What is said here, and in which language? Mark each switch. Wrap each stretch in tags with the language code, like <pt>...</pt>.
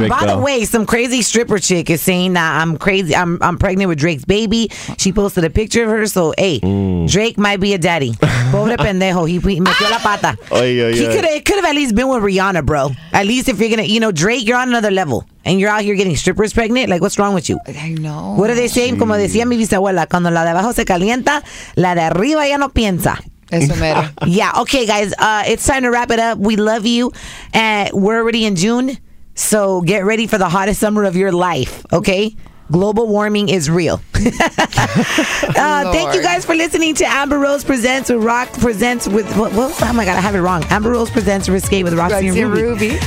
<en>And by the way, some crazy stripper chick is saying that I'm crazy. I'm pregnant with Drake's baby. She posted a picture of her. So, hey, Drake might be a daddy.</en> <es>Pobre pendejo. He metió la pata.</es> <en>It could have at least been with Rihanna, bro. At least if you're going to, you know, Drake, you're on another level. And you're out here getting strippers pregnant? Like, what's wrong with you? I know. What are they saying?</en> <es>Como decía mi bisabuela, cuando la de abajo se calienta, la de arriba ya no piensa. Eso mero.</es> <en>Yeah. Okay, guys. It's time to wrap it up. We love you. And we're already in June. So get ready for the hottest summer of your life. Okay? Global warming is real. thank you guys for listening to Amber Rose Presents with Rock Presents with... Oh my God, I have it wrong. Amber Rose Presents Risqué with Roxy and Ruby.</en>